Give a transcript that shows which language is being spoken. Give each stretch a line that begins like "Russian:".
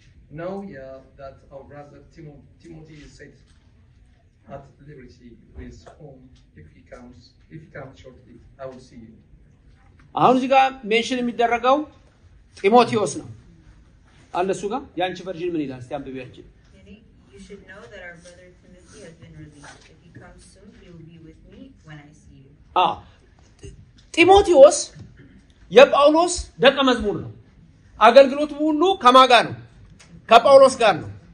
English: know yeah that our brother Timothy is set at liberty with whom if he comes shortly I will see you
Amharic: አሁን እዚህ ጋር ሜንሽን የሚደረገው ጢሞቴዎስ ነው አለሱ ጋር ያንቺ ቨርዥን ምን ይላል እስቲ አንብቢያችሁ
English: you should know that our brother Timothy has been released if he comes soon he will be with me when I see you
Amharic: ጢሞቴዎስ የጳውሎስ ደቀ መዝሙር ነው አገልግሎቱ ሁሉ ከማ ጋር ነው ከጳውሎስ ጋር ነው